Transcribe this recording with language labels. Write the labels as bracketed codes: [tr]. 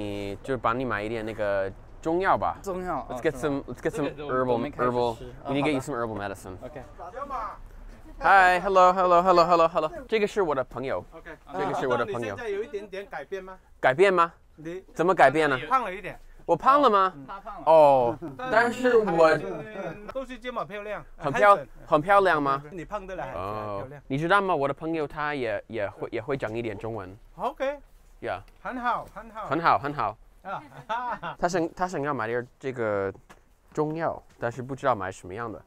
[zh] 对，确实，我觉得我们应该去帮你，就是帮你买一点那个中药吧。中药, [en] Let's get some herbal. We need to get you some herbal medicine. Okay. Hi, hello. [zh] 这个是我的朋友。 [en] Okay. [zh] 这个是我的朋友。你现在有一点点改变吗？改变吗？怎么改变呢？胖了一点。我胖了吗？哦。但是我都是这么漂亮。很漂亮吗？你胖的了。哦。你知道吗？我的朋友他也会讲一点中文。OK。Yeah。很好。他想要买点这个中药，但是不知道买什么样的。